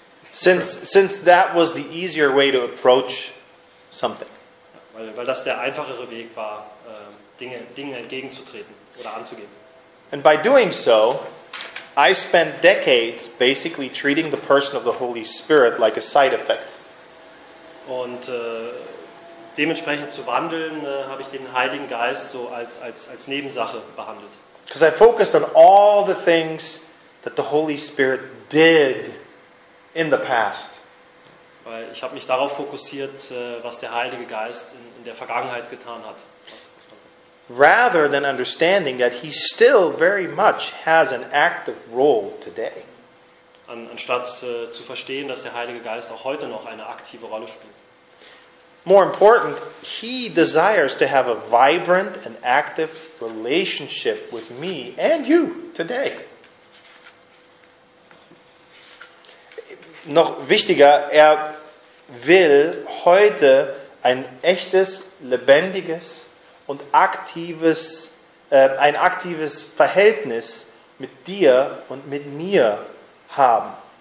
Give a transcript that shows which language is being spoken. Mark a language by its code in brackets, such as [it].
[en] Since that was the easier way to approach something. [de] Weil das der einfachere Weg war, Dinge entgegenzutreten oder anzugehen. [en] And by doing so, I spent decades basically treating the person of the Holy Spirit like a side effect. [de] Und dementsprechend zu wandeln, habe ich den Heiligen Geist so als Nebensache behandelt. [en] Because I focused on all the things that the Holy Spirit did in the past. [de] Weil ich habe mich darauf fokussiert, was der Heilige Geist in der Vergangenheit getan hat. [en] Rather than understanding that he still very much has an active role today. [de] Anstatt zu verstehen, dass der Heilige Geist auch heute noch eine aktive Rolle spielt. [en] More important, he desires to have a vibrant and active relationship with me and you today. [de] Noch wichtiger, er will heute ein echtes, lebendiges und aktives ein aktives Verhältnis mit dir und mit mir haben.